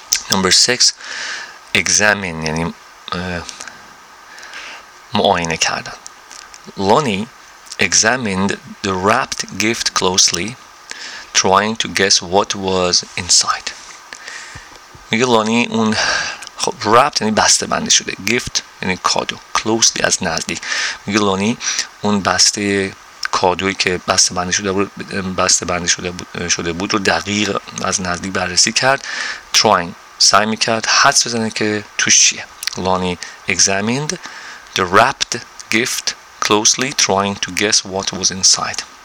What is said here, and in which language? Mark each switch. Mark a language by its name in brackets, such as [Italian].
[English] Number 6, examine, [Persian] یعنی معاینه کردن. [English] Lonnie examined the wrapped gift closely, trying to guess what was inside. [Persian] میگه لانی اون خب رپت یعنی بسته بنده شده، گیفت یعنی کادو، کلوزلی از نزدیک. میگه لانی اون بسته کادویی که بسته بنده شده بود، رو دقیق از نزدیک بررسی کرد. تراینگ، سعی میکرد حدس بزنه که توش چیه. [English] Lani examined the wrapped gift closely, trying to guess what was inside.